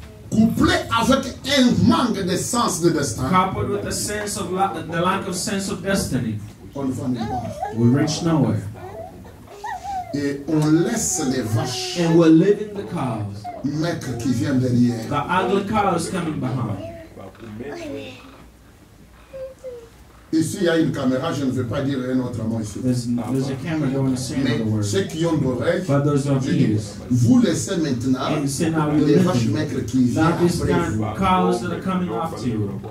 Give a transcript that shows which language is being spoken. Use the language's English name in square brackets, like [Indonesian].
[French] couplée avec un manque de sens de destin, [English] coupled with the lack of sense of destiny, [French] on va nulle part. [English] We reach nowhere. [French] Et on laisse les vaches, [English] and we're leaving the cows, [French] maigres qui viennent derrière, [English] the ugly cows coming behind. [French] Ici, il y a une caméra, je ne veux pas dire un autre mot ici. [English] There's a camera, I don't want to say another word. [French] Ceux qui ont l'oreille, [English] but those of you, [French] vous laissez maintenant les vaches maigres qui viennent après vous. [English] That is the cows that are coming after you.